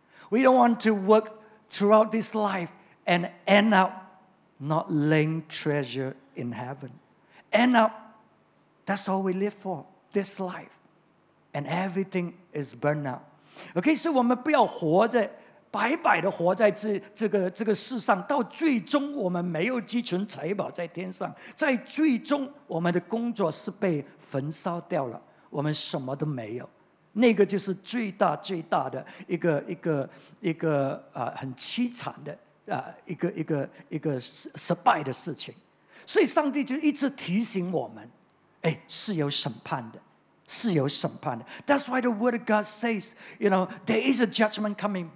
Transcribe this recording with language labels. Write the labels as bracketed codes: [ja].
[en] We don't want to work throughout this life and end up not laying treasure in heaven. End up, that's all we live for, this life. and everything is burned up. Okay, so [zh] 我们不要活着白白的活在 这个世上，到最终我们没有积存财宝在天上，在最终我们的工作是被焚烧掉了，我们什么都没有。那个就是最大最大的一个、很凄惨的、一个失败的事情。所以上帝就一直提醒我们，哎，是有审判的，是有审判的。 [en] That's why the word of God says, you know, there is a judgment coming.